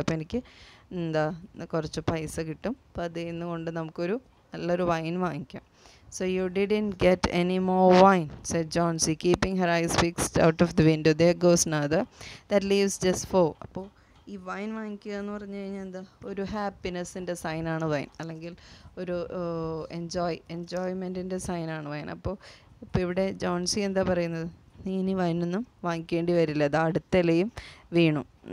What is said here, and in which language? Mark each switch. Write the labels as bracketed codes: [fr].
[ml] അപ്പോൾ എനിക്ക് എന്താ കുറച്ച് പൈസ കിട്ടും. അപ്പോൾ അതിൽ നിന്ന് കൊണ്ട് നമുക്കൊരു നല്ലൊരു വൈൻ വാങ്ങിക്കാം. [en] So you didn't get any more wine, said Johnsy, keeping her eyes fixed out of the window. There goes another. That leaves just 4. [ml] അപ്പോൾ ഈ വൈൻ വാങ്ങിക്കുക എന്ന് പറഞ്ഞു കഴിഞ്ഞാൽ എന്താ ഒരു ഹാപ്പിനെസ്സിൻ്റെ സൈനാണ് വൈൻ, അല്ലെങ്കിൽ ഒരു എൻജോയ്മെൻറ്റിൻ്റെ സൈനാണ് വൈൻ. അപ്പോൾ ഇപ്പോൾ ഇവിടെ ജോൺസി എന്താ പറയുന്നത്, നീ ഇനി വൈനൊന്നും വാങ്ങിക്കേണ്ടി വരില്ല, അത് അടുത്ത ഇലയും വീണു.